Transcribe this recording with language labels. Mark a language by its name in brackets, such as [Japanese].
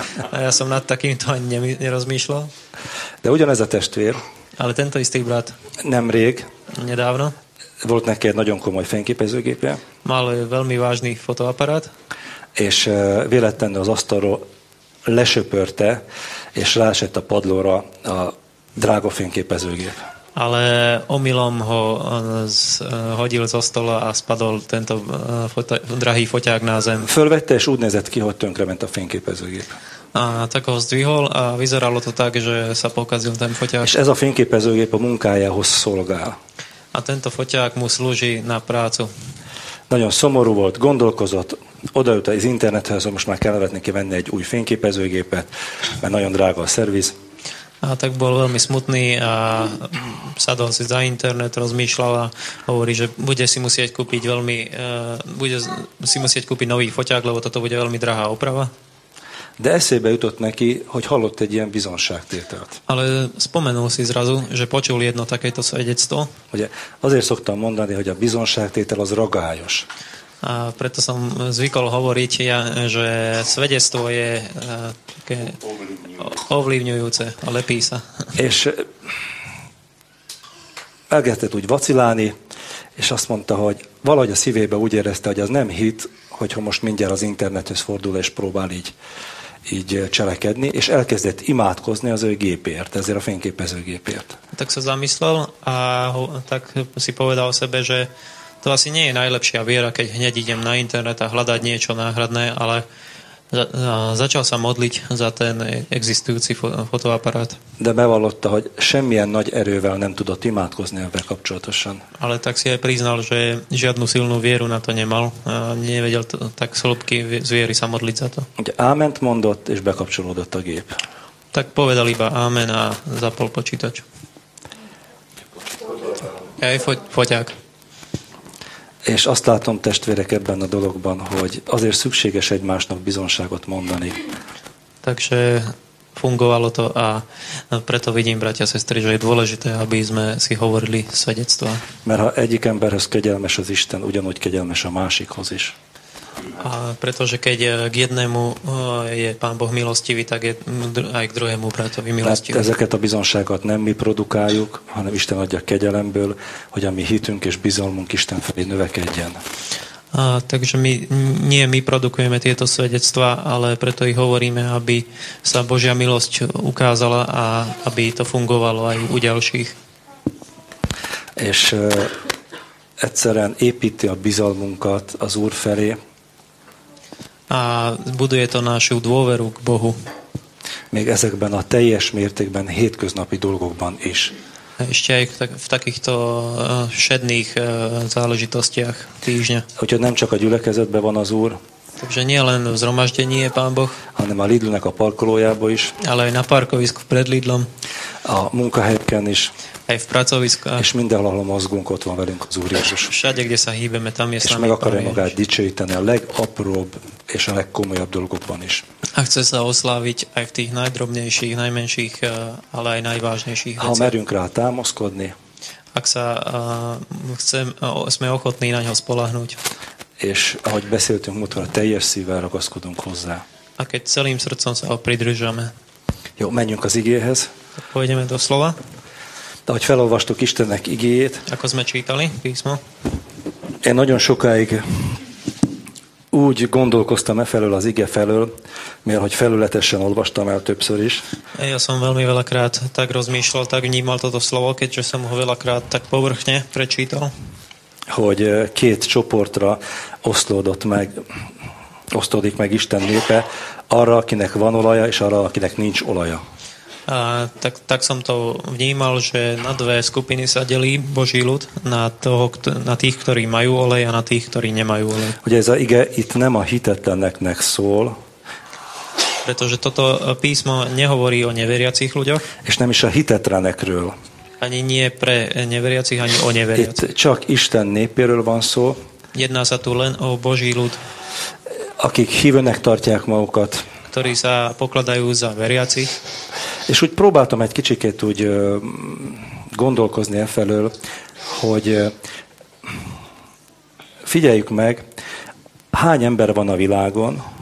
[Slovak] A ja som nad takýmto ani nerozmýšľal. [Hungarian] De ugyanez a testvér. [Slovak] Ale tento istý brat. [Hungarian] Nemrég. [Slovak] Nedávno. [Hungarian] Volt neki egy nagyon komoly fényképezőgépje. [Slovak] Mal veľmi vážny fotoaparát. [Hungarian] És véletlenül az asztalról lesöpörte, és ráesett a padlóra a drága fényképezőgép. [Slovak] Ale omylom ho hodil zo stola a spadol tento drahý foťák na zem. [Hungarian] Fölvette, és úgy nézett ki, hogy tönkre ment a fényképezőgép. [Slovak] A tak ho zdvihol a vyzeralo to tak, že sa pokazil ten foťák. [Hungarian] És ez a fényképezőgép a munkájához szolgál. [Slovak] A tento foťák mu slúži na prácu. [Hungarian] Nagyon szomorú volt, gondolkozott, odajut az internethez, hogy most már kell vetni ki venni egy új fényképezőgépet, mert nagyon drága a szerviz. [Slovak] A tak bol veľmi smutný a sadol si za internet, rozmýšľal a hovorí, že bude si musieť kúpiť nový foťák, lebo toto bude veľmi drahá oprava. [Hungarian] De eszébe jutott neki, hogy hallott egy ilyen bizonságtételt. [Slovak] Ale spomenul si zrazu, že počul jedno takéto svedectvo. [Hungarian] Ugye, azért szoktam mondani, hogy a bizonságtétel az ragályos. [Slovak] A preto som zvykol hovoriť, že svedectvo je také ovlivňujúce a lepí sa. [Hungarian] És elkezdett úgy vacilálni, és azt mondta, hogy valahogy a szívébe úgy érezte, hogy az nem hit, hogyha most mindjárt az internethöz fordul és próbál így cselekedni, és elkezdett imádkozni az ő gépért, ezért a fényképezőgépért. [Slovak] Tak sa zamyslel a tak si povedal o sebe, že to asi nie je najlepšia viera, keď hneď idem na internet a hľadať niečo náhradné, ale začal sa modliť za ten existujúci fotoaparát. [Hungarian] De bevallotta, hogy semmilyen nagy erővel nem tudott imádkozni ebben kapcsolatosan. [Slovak] Ale tak si aj priznal, že žiadnu silnú vieru na to nemal. Nevedel to, tak slúbky z viery sa modliť za to. [Hungarian] Ugye áment mondott, és bekapcsolódott a gép. [Slovak] Tak povedal iba ámen a zapol počítač. Aj foťák. [Hungarian] És azt látom, testvérek, ebben a dologban, hogy azért szükséges egymásnak bizonságot mondani. [Slovak] Takže fungovalo to a preto vidím, bratia, sestry, že je dôležité, aby sme si hovorili svedectvá. [Hungarian] Mert ha egyik emberhez kegyelmes az Isten, ugyanúgy kegyelmes a másikhoz is. [Slovak] A pretože keď k jednému je Pán Boh milostivý, tak je aj k druhému bratovi milostivý. [Hungarian] Tehát ezeket a bizonságot nem mi produkáljuk, hanem Isten adja kegyelemből, hogy a mi hitünk és bizalmunk Isten felé növekedjen. [Slovak] Takže my, nie my produkujeme tieto svedectvá, ale preto ich hovoríme, aby sa Božia milosť ukázala a aby to fungovalo aj u ďalších. [Hungarian] És egyszerűen építi a bizalmunkat az Úr felé. [Slovak] A buduje to našu dôveru k Bohu. [Hungarian] Még ezekben a teljes mértékben hétköznapi dolgokban is. [Slovak] Ešte aj v takýchto všedných záležitostiach týždňa. [Hungarian] Hogyha nem csak a gyülekezetben van az Úr. [Slovak] Takže nie len v zhromaždení je Pán Boh. [Hungarian] Hanem a Lidlnek a parkolójába is. [Slovak] Ale aj na parkovisku pred Lidlom. [Hungarian] A munkahelyeken is. [Slovak] Aj v pracovisku. [Hungarian] És mindenhol, ahol mozgunk, ott van velünk az Úr Jézus. [Slovak] Všade, kde sa hýbeme, tam je s nami. [Hungarian] És meg akarja magát dicsőíteni a legapróbb és a legkomolyabb dolgokban is. [Slovak] A chce sa osláviť aj v tých najdrobnejších, najmenších, ale aj najvážnejších veciach. [Hungarian] Ha merünk rá támaszkodni. [Slovak] Ak sa sme ochotní na ňo spoľahnúť. [Hungarian] És ahogy beszéltünk múltkor, teljes szívvel ragaszkodunk hozzá. [Slovak] A keď celým srdcom sa ho pridržame. [Hungarian] Jó, menjünk az igéhez. [Slovak] Pôjdeme do slova. [Hungarian] De ahogy felolvastuk Istennek igéjét. [Slovak] Ako sme čítali písmo. [Hungarian] Én nagyon sokáig úgy gondolkoztam e felől az ige felől, mert hogy felületesen olvastam el többször is. [Slovak] Ja som veľmi veľakrát tak rozmýšľal, tak vnímal toto slovo, keďže som ho veľakrát tak povrchne prečítal. [Hungarian] Hogy két csoportra oszlódott meg, osztódik meg Isten népe, arra, akinek van olaja, és arra, akinek nincs olaja. [Slovak] A, tak som to vnímal, že na dve skupiny sa delí Boží ľud, na tých, ktorí majú olej a na tých, ktorí nemajú olej. [Hungarian] Ugye ez a ige itt nem a hitetleneknek szól. [Slovak] Pretože toto písmo nehovorí o neveriacich ľuďoch. [Hungarian] És nem is a hitetlenekről. [Slovak] Ani nie pre neveriacich, ani o neveriacich. [Hungarian] Itt csak Isten népéről van szó. [Slovak] Jedná sa tu len o Boží ľud. [Hungarian] Akik hívőnek tartják magukat. [Slovak] Ktorí sa pokladajú za veriaci. [Hungarian] És úgy próbáltam egy kicsikét úgy gondolkozni efelől, hogy figyeljük meg, hány ember van a világon.